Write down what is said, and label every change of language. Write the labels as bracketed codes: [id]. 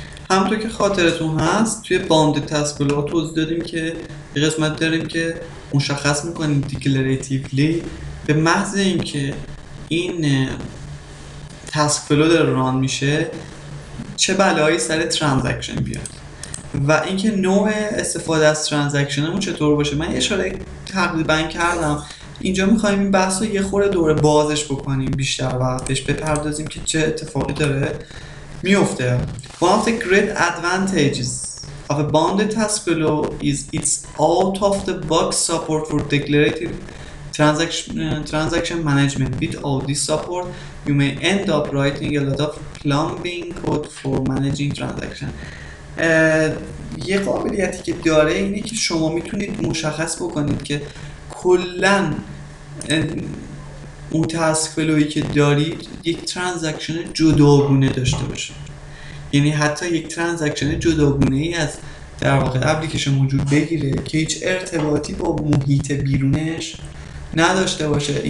[fa] همطور که خاطرتون هست توی باند تسکولات توضیح دادیم که یه قسمت داریم که مشخص میکنیم دیکلریتیولی به محض اینکه این تسکولو داره ران میشه چه بلایی سر ترانزکشن بیاد و اینکه نوع استفاده از ترانزکشنمون چطور باشه. من اشاره تقریبا کردم، اینجا میخوایم این بحث رو یه خورده دوره بازش بکنیم، بیشتر وقتش بپردازیم که چه اتفاقی داره میفته. [en] One of the great advantages of a bounded task flow is its out of the box support for declarative transaction management. With all this support, you may end up writing a lot of plumbing code for managing transaction. [fa] یه قابلیتی که داره اینه که شما میتونید مشخص بکنید که کلن اون تسک فلویی که دارید یک ترانزکشن جداگونه داشته باشه، یعنی حتی یک ترانزکشن جداگونه ای از در واقع اپلیکیشن موجود بگیره که هیچ ارتباطی با محیط بیرونش نداشته باشه.